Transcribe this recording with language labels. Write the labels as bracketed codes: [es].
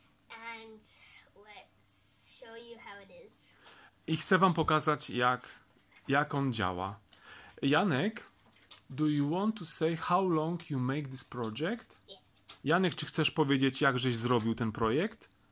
[en] And let's show you how it is. [pl] I chcę wam pokazać, jak on działa. [en] Janek, do you want to say how long you make this project? Yeah. [pl] Janek, czy chcesz powiedzieć, jak żeś zrobił ten projekt?